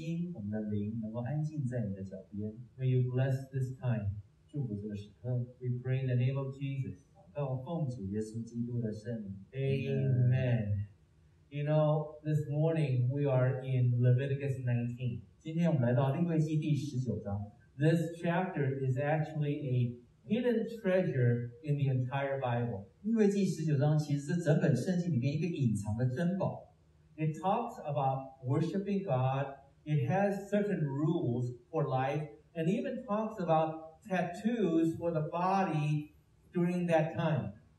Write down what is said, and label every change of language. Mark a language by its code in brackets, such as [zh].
[zh] 主啊，当我们聆听你的话语的时候，帮助我们的心、我们的灵能够安静在你的脚边。 [en] May you bless this time. [zh] 祝福这个时刻。 [en] We pray in the name of Jesus. [zh] 祷告奉主耶稣基督的圣名。 [en] Amen. You know, this morning we are in Leviticus 19. [zh] 今天我们来到利未记第十九章。 [en] This chapter is actually a hidden treasure in the entire Bible. [zh] 利未记十九章其实是整本圣经里面一个隐藏的珍宝。 [en] It talks about worshiping God, it has certain rules for life, and even talks about tattoos for the body during that time.